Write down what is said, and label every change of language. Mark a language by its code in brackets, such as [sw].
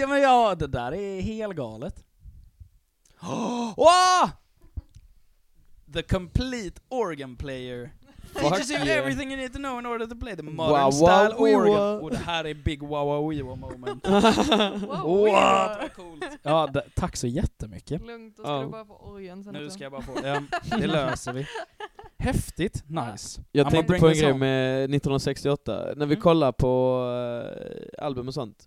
[sv] Ja, men ja, det där är helt galet. [en] The complete organ player. Teaches you everything you need to know in order to play the modern style organ. [sv] Och det här är [en] big wow-wee-wa moment. What? [sv] Coolt. Ja, tack så jättemycket. Lugnt, då ska du bara få orgen sen. Nu ska jag bara få det löser vi. Häftigt, nice. Jag tänkte på en grej med 1968. När vi kollar på album och sånt.